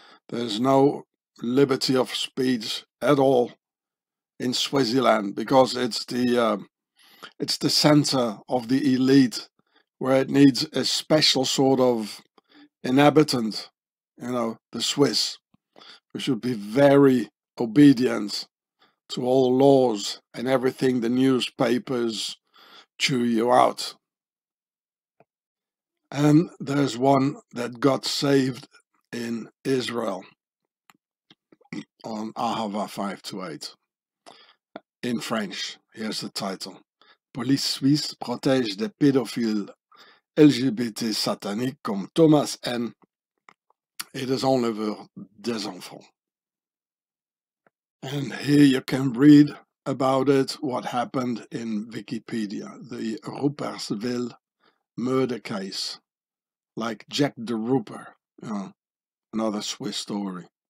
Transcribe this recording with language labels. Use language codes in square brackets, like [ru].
[en] There's no liberty of speech at all in Switzerland because it's the center of the elite, where it needs a special sort of inhabitant, you know, the Swiss, who should be very obedient to all laws and everything the newspapers chew you out. And there's one that got saved in Israel on Ahava 528. In French, here's the title. [fr] Police Suisse protège des pédophiles LGBT satanique comme Thomas N. [en] It is only for [fr] des enfants. [en] And here you can read about it, what happened in Wikipedia. The Rupertsville murder case. Like Jack the Ripper, you know, another Swiss story.